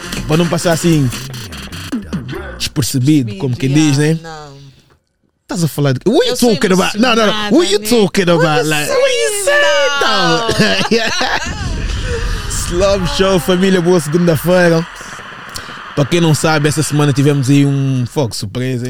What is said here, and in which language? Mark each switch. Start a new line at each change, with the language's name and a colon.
Portuguese: Para não passar assim, despercebido, como quem diz, né? Não. Estás a falar de quê?
English: What are you talking about?
Portuguese: Não.
English: What are you talking about? Like, what are you saying, though?
Portuguese: Love Show, família, boa segunda-feira. Para quem não sabe, essa semana tivemos aí um fogo, surpresa.